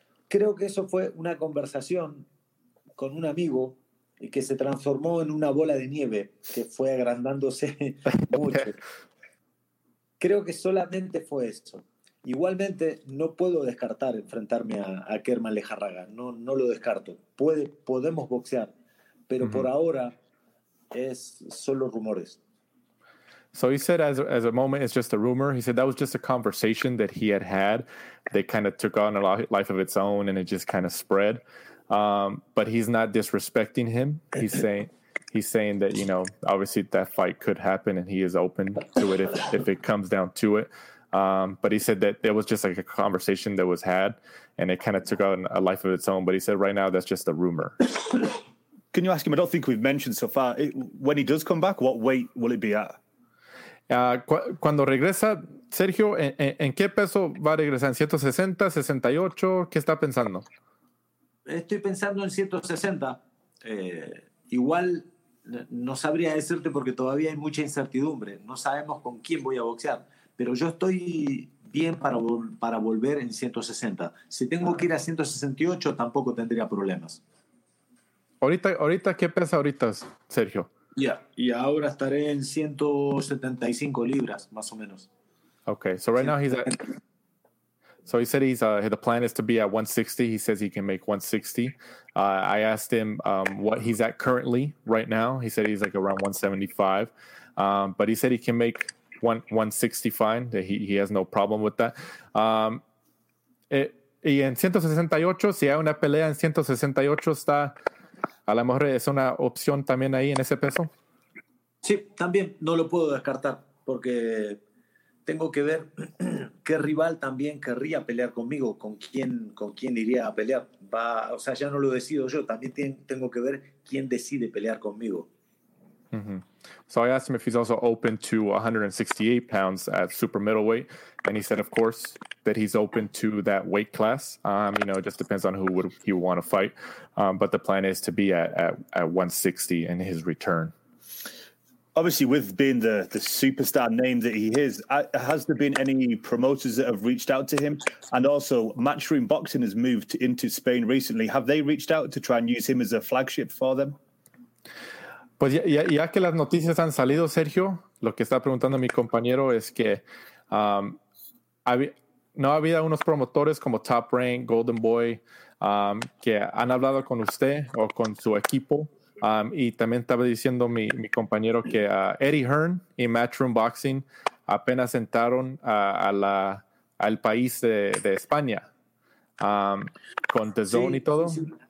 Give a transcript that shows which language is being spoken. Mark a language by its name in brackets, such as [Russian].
[Spanish] Creo que eso fue una conversación con un amigo y que se transformó en una bola de nieve que fue agrandándose mucho. Creo que solamente fue eso. Igualmente, no puedo descartar enfrentarme a Kerman Lejarraga. No lo descarto. Podemos boxear, pero mm-hmm. por ahora es solo rumores. [English] So he said as a moment, it's just a rumor. He said that was just a conversation that he had had. They kind of took on a life of its own, and it just kind of spread. But he's not disrespecting him. He's saying that, you know, obviously that fight could happen, and he is open to it if it comes down to it. But he said that there was just like a conversation that was had, and it kind of took on a life of its own. But he said right now that's just a rumor. Can you ask him? I don't think we've mentioned so far. When he does come back, what weight will it be at? [Spanish] Cuando regresa, Sergio, ¿en qué peso va a regresar? ¿En 160, 68? ¿Qué está pensando? Estoy pensando en 160. Igual no sabría decirte porque todavía hay mucha incertidumbre. No sabemos con quién voy a boxear. Pero yo estoy bien para volver en 160. Si tengo que ir a 168, tampoco tendría problemas. ¿Ahorita qué pesa ahorita, Sergio? Ya, yeah. Y ahora estaré en 175 libras, más o menos. [English] Okay, so right now he's at... So he said the plan is to be at 160. He says he can make 160. I asked him what he's at currently right now. He said he's like around 175. But he said he can make... 160 fine, that he has no problem with that. [Spanish] Y en 168, si hay una pelea en 168, está a lo mejor es una opción también ahí en ese peso. Sí, también no lo puedo descartar porque tengo que ver qué rival también querría pelear conmigo, con quién iría a pelear. Va, o sea, ya no lo decido yo, también tengo que ver quién decide pelear conmigo. Mm-hmm. [English] So I asked him if he's also open to 168 pounds at super middleweight, and he said, of course, that he's open to that weight class. You know, it just depends on who would he want to fight. But the plan is to be at 160 in his return. Obviously, with being the superstar name that he is, has there been any promoters that have reached out to him? And also, Matchroom Boxing has moved into Spain recently. Have they reached out to try and use him as a flagship for them? [Spanish] Pues ya que las noticias han salido, Sergio, lo que está preguntando mi compañero es que no ha habido unos promotores como Top Rank, Golden Boy, que han hablado con usted o con su equipo. Y también estaba diciendo mi compañero que Eddie Hearn y Matchroom Boxing apenas entraron al país de España con The Zone, sí, y todo. Sí.